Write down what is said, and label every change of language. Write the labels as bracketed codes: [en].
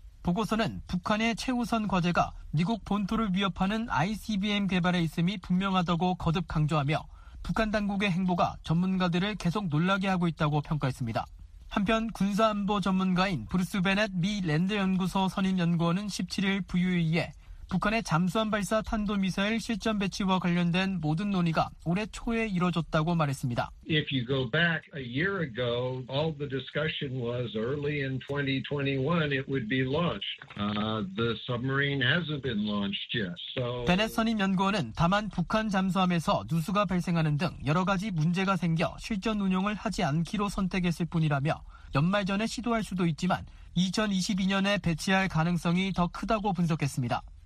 [ko] 보고서는 북한의 최우선 과제가 미국 본토를 위협하는 ICBM 개발에 있음이 분명하다고 거듭 강조하며 북한 당국의 행보가 전문가들을 계속 놀라게 하고 있다고 평가했습니다. 한편 군사안보 전문가인 브루스 베넷 미 랜드 연구소 선임연구원은 17일 VOE에 북한의 잠수함 발사 탄도미사일 실전 배치와 관련된 모든 논의가 올해 초에 이뤄졌다고 말했습니다. [en] If you go back a year ago, all the discussion was early in 2021 it would be launched. The submarine hasn't been launched yet. So [ko] 베넷 선임 연구원은 다만 북한 잠수함에서 누수가 발생하는 등 여러 가지 문제가 생겨 실전 운용을 하지 않기로 선택했을 뿐이라며 연말 전에 시도할 수도 있지만 2022년에 배치할 가능성이 더 크다고 분석했습니다.